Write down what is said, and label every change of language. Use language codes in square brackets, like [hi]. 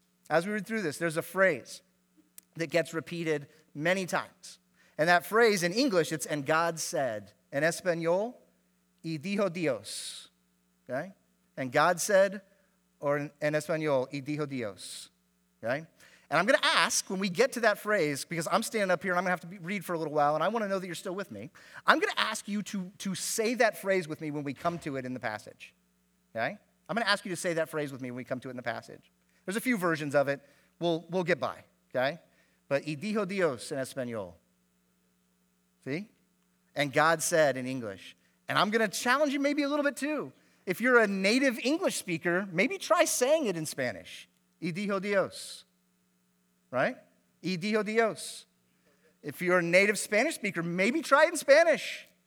[en] As we read through this, there's a phrase that gets repeated many times. And that phrase, in English, it's, and God said. [es] En español, y dijo Dios, okay? [en] And God said, or [es] en español, y dijo Dios, [en] okay? And I'm going to ask, when we get to that phrase, because I'm standing up here and I'm going to have to read for a little while, and I want to know that you're still with me, I'm going to ask you to say that phrase with me when we come to it in the passage. Okay? I'm going to ask you to say that phrase with me when we come to it in the passage. There's a few versions of it. We'll get by. Okay? [es] But, y dijo Dios en español. [en] See? And God said in English. And I'm going to challenge you maybe a little bit too. If you're a native English speaker, maybe try saying it in Spanish. [es] Y dijo Dios. Right? Y dijo Dios. [en] If you're a native Spanish speaker, maybe try it in Spanish.